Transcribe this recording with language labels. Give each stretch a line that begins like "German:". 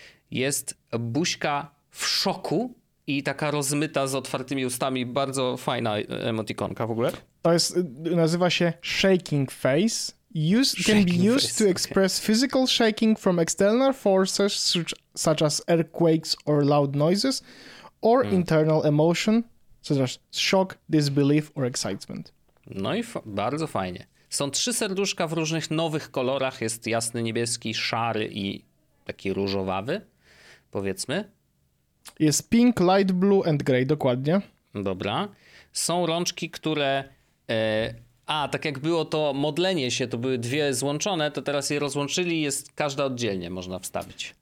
Polish: Jest buźka w szoku i taka rozmyta z otwartymi ustami. Bardzo fajna emotikonka w ogóle. To jest, nazywa się shaking face
English: can be used to express physical shaking from external forces such as earthquakes or loud noises, or internal emotion such as shock, disbelief or excitement.
Polish: No i bardzo fajnie. Są trzy serduszka w różnych nowych kolorach. Jest jasny, niebieski, szary i taki różowawy, powiedzmy. Jest
English: pink, light blue and gray,
Polish: dokładnie. Dobra. Są rączki, które... tak jak było to modlenie się, to były dwie złączone, to teraz je rozłączyli i jest każda oddzielnie można wstawić.